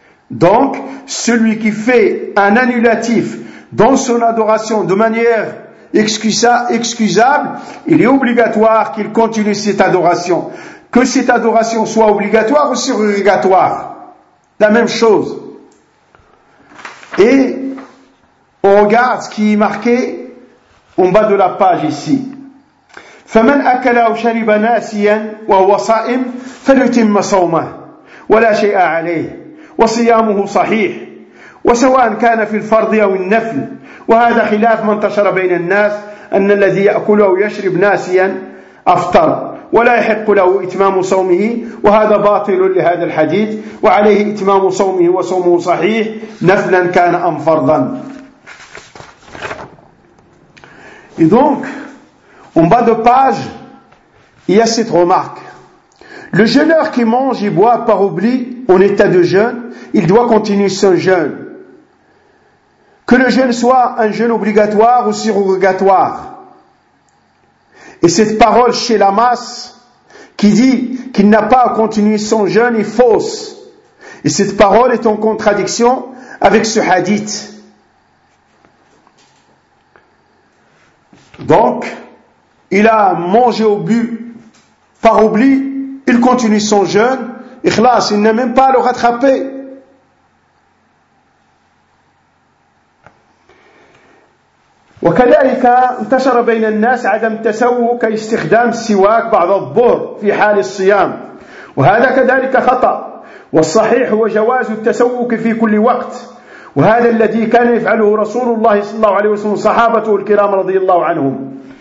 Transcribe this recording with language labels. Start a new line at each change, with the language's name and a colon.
French: Donc, celui qui fait un annulatif dans son adoration de manière excusable, il est obligatoire qu'il continue cette adoration. Que cette adoration soit obligatoire ou surrogatoire, la même chose. Et on regarde ce qui est marqué en bas de la page ici.
Arabic: فَمَنْ أَكَلَ أَوْ شَرِبَ نَاسِيًا وَهُوَ صَائِمٌ فَلْيُتِمَّ صَوْمَهُ وَلَا شَيْءَ عَلَيْهِ وَصِيَامُهُ صَحِيحٌ وَسَوَاءً كَانَ فِي الْفَرْضِ أَوْ النَّفْلِ وَهَذَا خِلَافٌ مَنْ انْتَشَرَ بَيْنَ النَّاسِ أَنَّ الَّذِي يَأْكُلُ أَوْ يَشْرِبُ نَاسِيًا أَفْطَرَ ولا يحق له إتمام صومه وهذا باطل لهذا الحديث وعليه إتمام صومه وصومه صحيح نفلا كان أم فرضا.
French: Et donc, en bas de page, il y a cette remarque. Le jeûneur qui mange et boit par oubli en état de jeûne, il doit continuer son jeûne. Que le jeûne soit un jeûne obligatoire ou surrogatoire. Et cette parole chez la masse qui dit qu'il n'a pas à continuer son jeûne est fausse. Et cette parole est en contradiction avec ce hadith. Donc, il a mangé au but par oubli, il continue son jeûne, ikhlas, il n'a même pas à le rattraper.
Arabic: وكذلك انتشر بين الناس عدم تسوق استخدام السواك بعد الظهر في حال الصيام وهذا كذلك خطأ والصحيح هو جواز التسوق في كل وقت وهذا الذي كان يفعله رسول الله صلى الله عليه وسلم صحابته الكرام رضي الله عنهم